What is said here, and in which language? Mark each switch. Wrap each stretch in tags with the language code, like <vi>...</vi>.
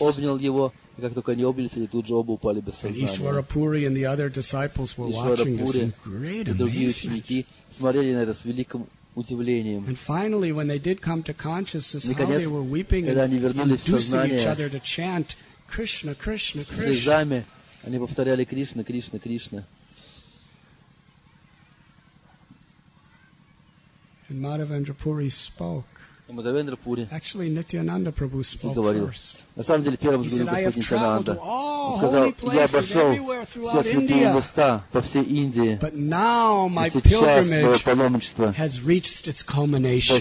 <en>And Ishwara Puri and the other disciples were watching this in great amazement. And finally, when they did come to consciousness, how they were weeping and inducing each other to chant, Krishna, Krishna, Krishna.</en> <ru>Они повторяли Кришна, Кришна, Кришна.</ru> <en>And Madhavendra Puri spoke.</en> <ru>И Мадхавендра Пури.</ru> <en>Actually, Nityananda Prabhu spoke</en> <ru>говорил.</ru> <en>First.</en> <ru>На самом деле, первым говорил Господь Нитянанда. Он сказал, я обошел все святые места по всей Индии.</ru> <en>But now my pilgrimage has reached its culmination.</en>